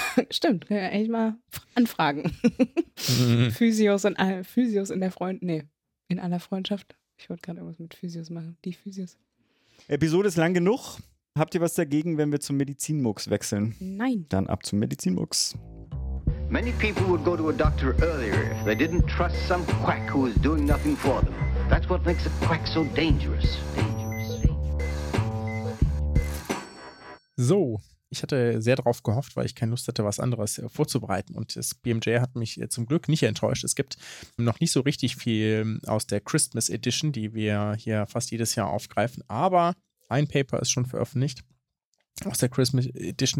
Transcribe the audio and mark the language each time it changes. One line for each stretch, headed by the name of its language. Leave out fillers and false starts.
German: Stimmt, können wir eigentlich mal anfragen. Physios in der Freundschaft. Nee. In aller Freundschaft. Ich wollte gerade irgendwas mit Physios machen. Die Physios. Episode ist lang genug. Habt ihr was dagegen, wenn wir zum Medizinmucks wechseln? Nein. Dann ab zum Medizinmucks.
English: Many people would go to a doctor earlier if they didn't trust some quack who is doing nothing for them. That's what makes a quack so dangerous.
German: So. Ich hatte sehr darauf gehofft, weil ich keine Lust hatte, was anderes vorzubereiten. Und das BMJ hat mich zum Glück nicht enttäuscht. Es gibt noch nicht so richtig viel aus der Christmas Edition, die wir hier fast jedes Jahr aufgreifen. Aber ein Paper ist schon veröffentlicht aus der Christmas Edition.